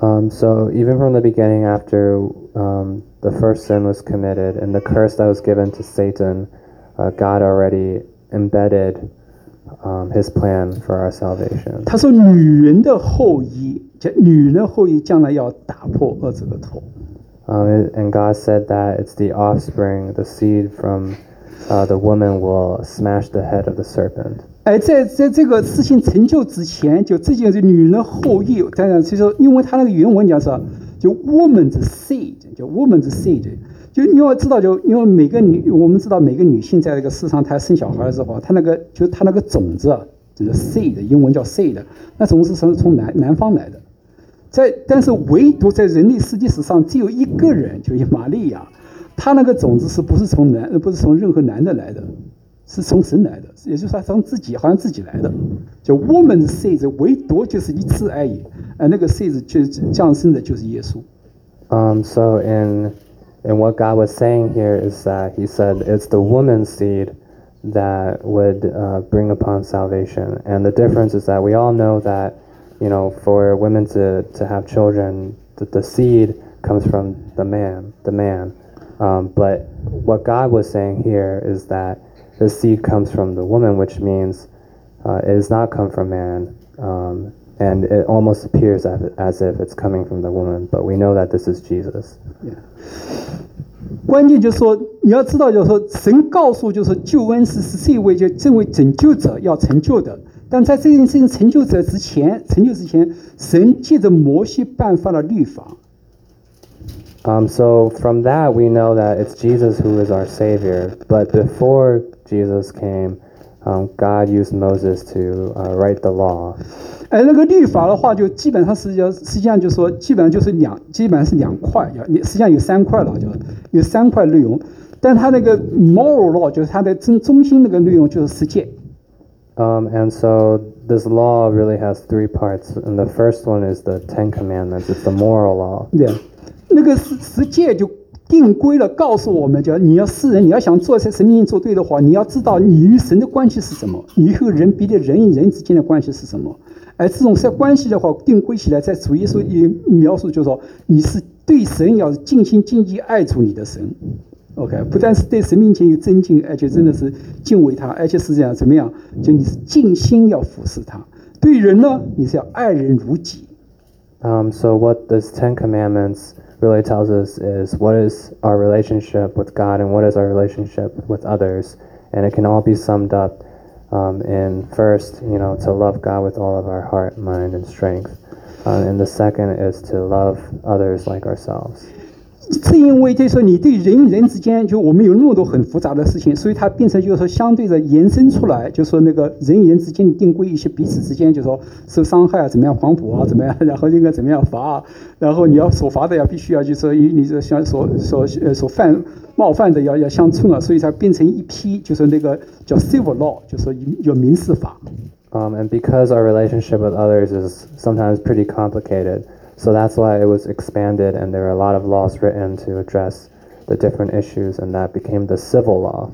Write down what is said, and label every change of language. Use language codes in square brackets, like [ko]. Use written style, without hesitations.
[en] So even from the beginning, after the first sin was committed and the curse that was given to Satan, God already embedded his plan for our salvation. [zh] 他说女人的后裔，女人的后裔将来要打破恶者的头。 [en] And God said that it's the offspring, the seed from the woman will smash the head of the serpent. [zh] 哎，在这个事情成就之前，就这件事，女人的后裔，当然就是因为他那个原文讲是就 [en] woman's seed, [zh] 就 woman's seed。就因为知道就因为每个女我们知道每个女性在这个世上她生小孩的时候，她那个就她那个种子就是 seed, 英文叫 seed, 那种子是从 南方来的。但是唯独在人类世界史上只有一个人，就是玛利亚，她那个种子是不是从男不是从任何男的来的，是从神来的，也就是说从自己好像自己来的，就 [en] woman's seed, [zh] 唯独就是一次而已，那个 seed 就降生的就是耶稣。 [en] And what God was saying here is that he said it's the woman's seed that would bring upon salvation. And the difference is that we all know that, you know, for women to have children, that the seed comes from the man. But what God was saying here is that the seed comes from the woman, which means it does not come from man. And it almost appears as if it's coming from the woman. But we know that this is Jesus. Yeah. [zh] 关键就是说，你要知道，就是说，神告诉就是救恩是这位就这位拯救者要成就的。但在这件事情成就之前，神借着摩西颁发了律法。 [en] So from that we know that it's Jesus who is our Savior. But before Jesus came, God used Moses to write the law. [zh] 哎，那个律法的话，就基本上是要，实际上就是说，基本上就是两，基本上是两块，实际上有三块了，就是。有三块内容，但他那个 [en] moral law [zh] 就是他的中心那个内容就是十诫。 [en] And so this law really has three parts, and the first one is the Ten Commandments. It's the moral law. [zh] 对，那个十诫就定规了，告诉我们，就你要世人，你要想做些神明做对的话，你要知道你与神的关系是什么，你和人比的人与人之间的关系是什么。而这种关系的话，定规起来，在主耶稣也描述，就是说你是。对神要尽心尽意爱主你的神 ，OK， 不但是对神面前有尊敬，而且真的是敬畏他，而且是这样怎么样？就你是尽心要服侍他。对人呢，你是要爱人如己。 [en] So what this Ten Commandments really tells us is what is our relationship with God and what is our relationship with others, and it can all be summed up in first, you know, to love God with all of our heart, mind, and strength. And the second is to love others like ourselves. [zh] 是因为就是说你对人与人之间，就我们有那么多很复杂的事情，所以它变成就是说相对的延伸出来，就是说那个人与人之间的定规，一些彼此之间就是说受伤害啊，怎么样防补啊，怎么样，然后应该怎么样罚啊，然后你要所罚的要必须要就是说你这像所犯冒犯的要相称啊，所以才变成一批就是那个叫 [en] civil law， [zh] 就是有民事法。 [en] And because our relationship with others is sometimes pretty complicated, so that's why it was expanded, and there are a lot of laws written to address the different issues, and that became the civil law.